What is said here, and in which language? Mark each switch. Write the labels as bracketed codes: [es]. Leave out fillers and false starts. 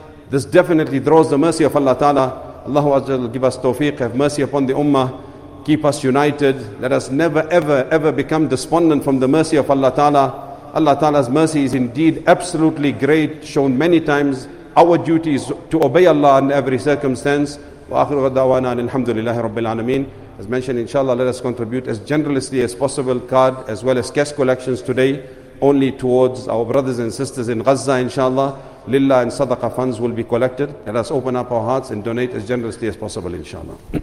[en] This definitely draws the mercy of Allah Ta'ala. Allahu Azzal, give us tawfiq, have mercy upon the ummah, keep us united. Let us never, ever, ever become despondent from the mercy of Allah Ta'ala. Allah Ta'ala's mercy is indeed absolutely great, shown many times. Our duty is to obey Allah in every circumstance. [ar] وآخر دعوانا أن الحمد لله رب العالمين. [en] As mentioned, inshallah, let us contribute as generously as possible, card as well as cash collections today, only towards our brothers and sisters in Gaza, inshallah. Lillah and sadaqah funds will be collected. Let us open up our hearts and donate as generously as possible, inshallah.